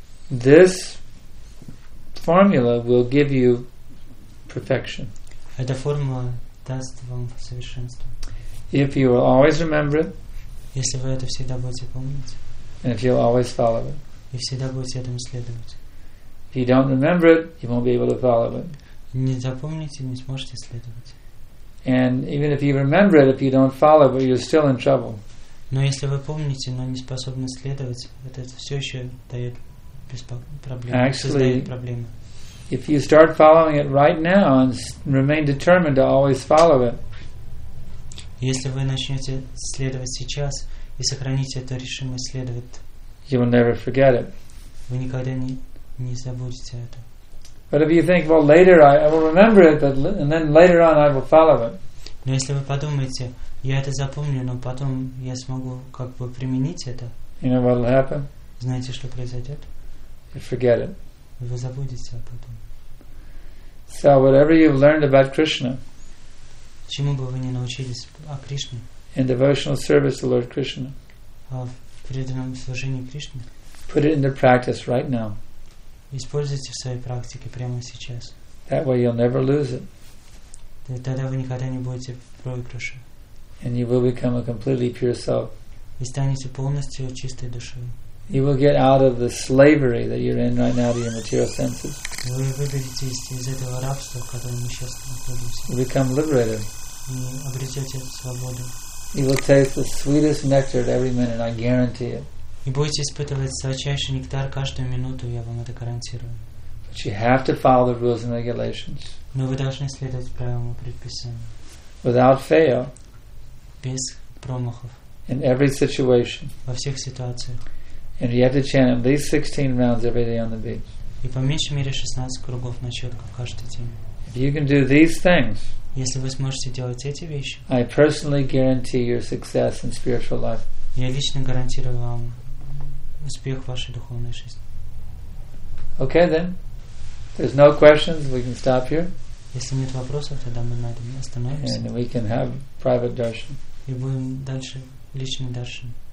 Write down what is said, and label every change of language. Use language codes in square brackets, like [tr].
[en] This formula will give you perfection. [ru] Эта формула даст вам совершенство. [en] If you will always remember it, [ru] если вы это всегда будете помнить, [en] and if you'll always follow it, [ru] и всегда будете этому следовать. [en] If you don't remember it, you won't be able to follow it. [ru] Не запомните, не сможете следовать. [en] And even if you remember it, if you don't follow it, you're still in trouble. [ru] Но если вы помните, но не способны следовать, это все еще дает проблемы. [en] Actually, [ru] создает проблемы. [en] If you start following it right now and remain determined to always follow it, [ru] если вы начнете следовать сейчас и сохраните эту решимость следовать, [en] you will never forget it. [ru] Вы никогда не забудете это. [en] But if you think, well, later I will remember it, but and then later on I will follow it. [ru] Но если вы подумаете, я это запомню, но потом я смогу как бы применить это. [en] You know what will happen? [ru] Знаете, что произойдет? [en] You forget it. [ru] Вы забудете об этом. [en] So whatever you've learned about Krishna. [ru] Чему бы вы ни научились о Кришне? [en] In devotional service to Lord Krishna. [ru] О преданном служении Кришне. [en] Put it into practice right now. [ru] Используйте в своей практике прямо сейчас. [en] That way you'll never lose it. [ru] Тогда вы никогда не будете в проигрыше. [en] And you will become a completely pure soul. [ru] И станете полностью чистой душой. [en] You will get out of the slavery that you're in right now to your material senses. [ru] Вы выберете из этого рабства, в котором мы сейчас находимся. [en] You become liberated. [ru] И обретете свободу. [en] You will taste the sweetest nectar at every minute, I guarantee it. [ru] И будете испытывать сладчайший нектар каждую минуту, я вам это гарантирую. [en] But you have to follow the rules and regulations. [ru] Но вы должны следовать правилам и предписаниям. [en] Without fail. [ru] Без промахов. [en] In every situation. [ru] Во всех ситуациях. [en] And you have to chant at least 16 rounds every day on the beach. [ru] И по меньшей мере 16 кругов на четках каждый день. [en] If you can do these things, [ru] если вы сможете делать эти вещи, [en] I personally guarantee your success in spiritual life. [ru] Я лично гарантирую вам успех в вашей духовной жизни. [en] Okay then. There's no questions, we can stop here. [ru] Если нет вопросов, тогда мы на этом остановимся. [en] And we can have private darshan. [ru] И будем дальше личный даршан.